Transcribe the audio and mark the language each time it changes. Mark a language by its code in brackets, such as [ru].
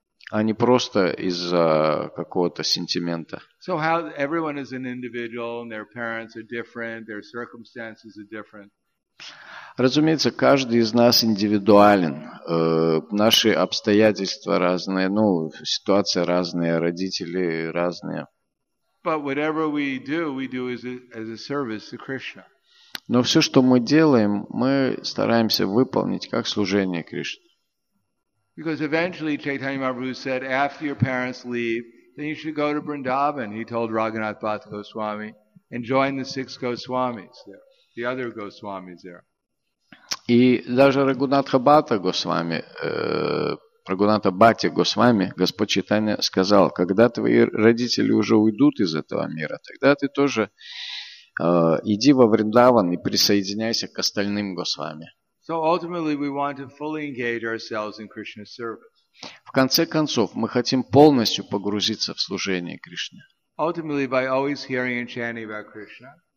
[ru] А не просто из-за какого-то сентимента. [en] So how everyone is an individual and their parents are different, their circumstances are different. [ru] Разумеется, каждый из нас индивидуален. Наши обстоятельства разные, ну, ситуации разные, родители разные. [en] But whatever we do as a service to Krishna. [ru] Но все, что мы делаем, мы стараемся выполнить как служение Кришне. [en] Because eventually Chaitanya Mahaprabhu said, after your parents leave, then you should go to Vrindavan, he told Raghunath Bhat Goswami, and join the six Goswamis there, the other Goswamis there. [ru] И даже Рагунатха Бхата Госвами Прагунатха Бхатти Госвами, Господь Чайтанья, сказал, когда твои родители уже уйдут из этого мира, тогда ты тоже иди во Вриндаван и присоединяйся к остальным Госвами. [en] So ultimately we want to fully engage ourselves in Krishna's service. [ru] В конце концов, мы хотим полностью погрузиться в служение Кришне. [en] Ultimately, by always hearing and chanting about Krishna.